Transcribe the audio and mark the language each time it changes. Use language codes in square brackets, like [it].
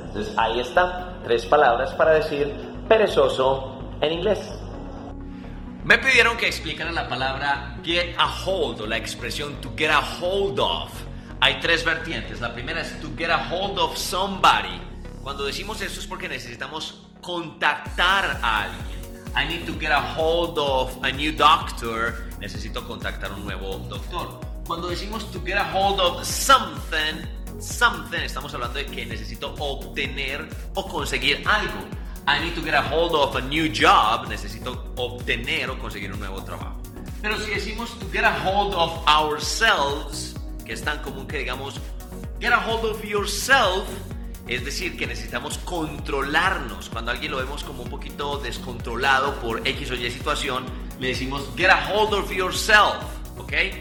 [es] Entonces ahí está, tres palabras para decir perezoso en inglés. Me pidieron que explicara la palabra [en] get a hold, [es] o la expresión [en] to get a hold of. [es] Hay tres vertientes, la primera es [en] to get a hold of somebody. [es] Cuando decimos eso es porque necesitamos contactar a alguien. [en] I need to get a hold of a new doctor. [es] Necesito contactar a un nuevo doctor. Cuando decimos [en] to get a hold of something, something, [es] estamos hablando de que necesito obtener o conseguir algo. [en] I need to get a hold of a new job. [es] Necesito obtener o conseguir un nuevo trabajo. Pero si decimos [en] to get a hold of ourselves, [es] que es tan común que digamos [en] get a hold of yourself, [es] es decir, que necesitamos controlarnos. Cuando alguien lo vemos como un poquito descontrolado por X o Y situación, le decimos, [en] get a hold of yourself, [es] ¿ok?